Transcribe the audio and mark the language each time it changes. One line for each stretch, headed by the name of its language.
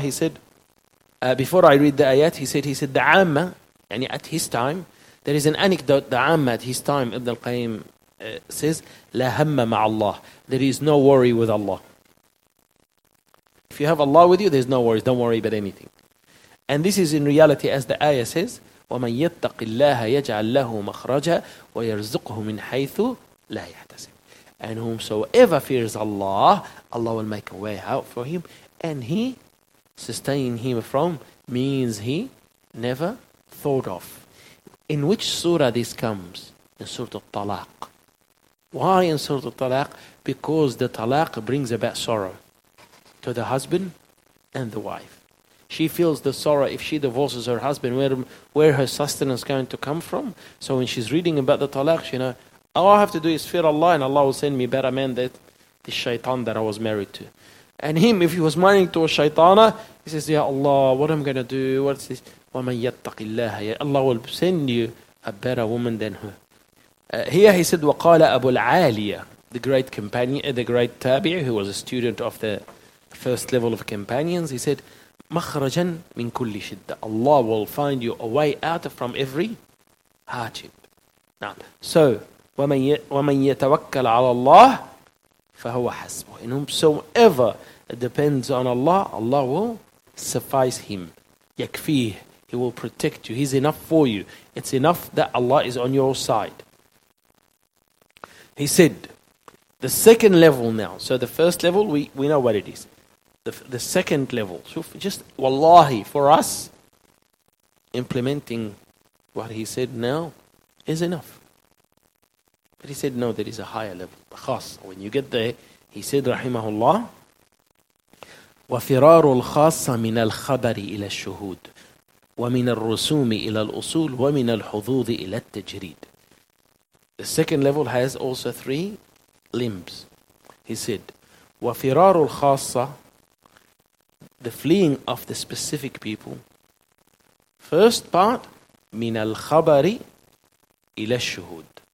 English: He said, before I read the ayat, he said the amma, yani at his time, there is an anecdote, the amma at his time, ibn al-Qayyim says,
Arabic: لا هم مع الله.
English: There is no worry with Allah. If you have Allah with you, there's no worries. Don't worry about anything. And this is in reality, as the ayah says,
Arabic: وَمَنْ يَتَّقِ اللَّهَ يَجْعَلْ لَهُ مَخْرَجًا وَيَرْزُقْهُ مِنْ حَيْثُ لَا يَحْتَسِبُ.
English: And whomsoever fears Allah, Allah will make a way out for him, and he sustain him from means he never thought of. In which surah this comes? In Surah Al-Talaq. Why in Surah Al-Talaq? Because the talaq brings about sorrow to the husband and the wife. She feels the sorrow if she divorces her husband, where her sustenance is going to come from. So when she's reading about the talaq, she knows, all I have to do is fear Allah and Allah will send me better man than the shaitan that I was married to. And him, if he was married to a shaitana, he says, Ya Allah, what am I going to do? What's this?
Arabic: وَمَنْ يَتَّقِ اللَّهَ يَا
English: Allah will send you a better woman than her. Here he said,
Arabic: وَقَالَ أَبُو الْعَالِيَةِ,
English: the great companion, the great tabi'i, who was a student of the first level of companions, he said,
Arabic: مخرجاً من كل شدة.
English: Allah will find you a way out from every hardship.
Arabic: نعم. So, ومن يتوكل على الله فهو حسبه.
English: And whomsoever depends on Allah, Allah will suffice him. يكفيه. He will protect you. He's enough for you. It's enough that Allah is on your side. He said, the second level now. So the first level, we know what it is. The second level. So just, wallahi, for us, implementing what he said now is enough. But he said, no, there is a higher level.
Arabic: خاص.
English: When you get there, he said, rahimahullah,
Arabic: وَفِرَارُ الْخَاصَّ مِنَ الْخَبَرِ إِلَى الشُّهُودِ ومن الرسوم إلى الأصول ومن الحظوظ إلى التجريد.
English: The second level has also three limbs. He said,
Arabic: وفرار الخاصة,
English: the fleeing of the specific people. First part,
Arabic: من الخبر إلى الشهود.